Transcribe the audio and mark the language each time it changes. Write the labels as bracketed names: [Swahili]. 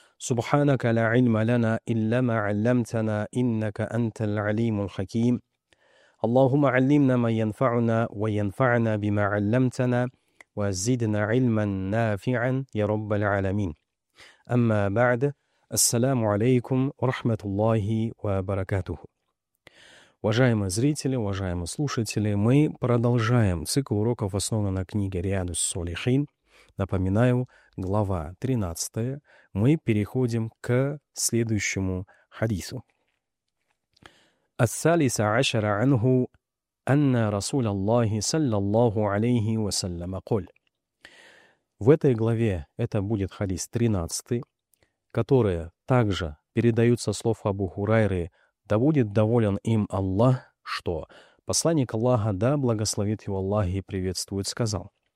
[Arabic] سبحانك لا علم لنا إلا ما علمتنا إنك أنت العليم الحكيم. اللهم علمنا ما ينفعنا وينفعنا بما علمتنا وزدنا علما نافعا يا رب العالمين. أما بعد، السلام عليكم ورحمة الله وبركاته. [Russian] Уважаемые зрители, уважаемые слушатели, мы продолжаем цикл уроков, основанный на книге «Риядус Солихин». Напоминаю, глава 13. Мы переходим к следующему хадису. [Arabic] الثالث عشر عنه أن رسول الله صلى الله عليه وسلم قال. [Russian] В этой главе это будет хадис 13, который также передаются слов Абу Хурайры: «Да будет доволен им Аллах, что посланник Аллаха, да благословит его Аллах и приветствует, сказал: